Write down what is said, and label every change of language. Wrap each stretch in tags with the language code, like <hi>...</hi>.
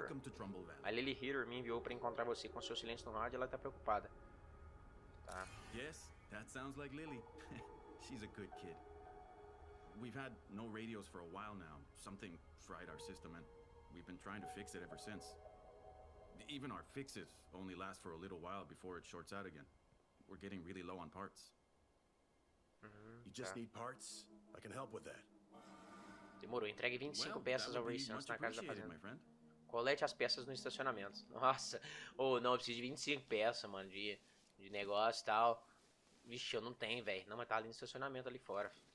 <en>Welcome to Trumbull Valley.</en> <pt>A Lily Hitter me enviou pra encontrar você com seu silêncio no rádio, ela tá preocupada. Tá.</pt> <en>Yes, that sounds like Lily. She's a good kid. We've had no radios for a while now. Something fried our system and we've been trying to fix it ever since. Even our fixes only last for a little while before it shorts out again. We're getting really low on parts. You just need parts? I can help with that.</en> <pt>Demorou, entregue 25 peças ao Ray Santos na casa da fazenda. Colete as peças no estacionamento. Nossa, ou não, eu preciso de 25 peças, mano, de negócio e tal. Vixe, eu não tenho, velho. Não, mas tá ali no estacionamento ali fora.</pt>